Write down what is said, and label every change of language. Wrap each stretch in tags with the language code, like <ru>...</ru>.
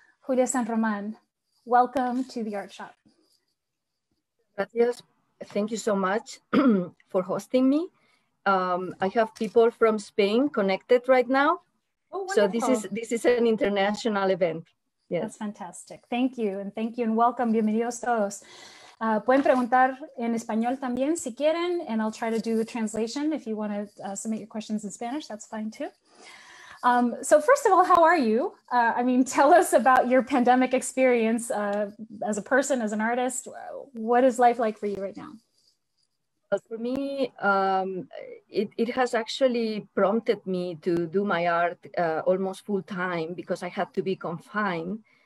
<en>Julia San Román, welcome to the Art Shop.</en> <es>Gracias.</es> <en>Thank you so much for hosting me. I have people from Spain connected right now. Oh, so this is an international event. Yes. That's fantastic. Thank you. And thank you and welcome.</en> <es>Bienvenidos todos. Pueden preguntar en español también si quieren,</es> <en>and I'll try to do the translation. If you want to submit your questions in Spanish, that's fine too. So first of all, how are you? Tell us about your pandemic experience as a person, as an artist. What is life like for you right now? For me, it has actually prompted me to do my art almost full time because I had to be confined.</en>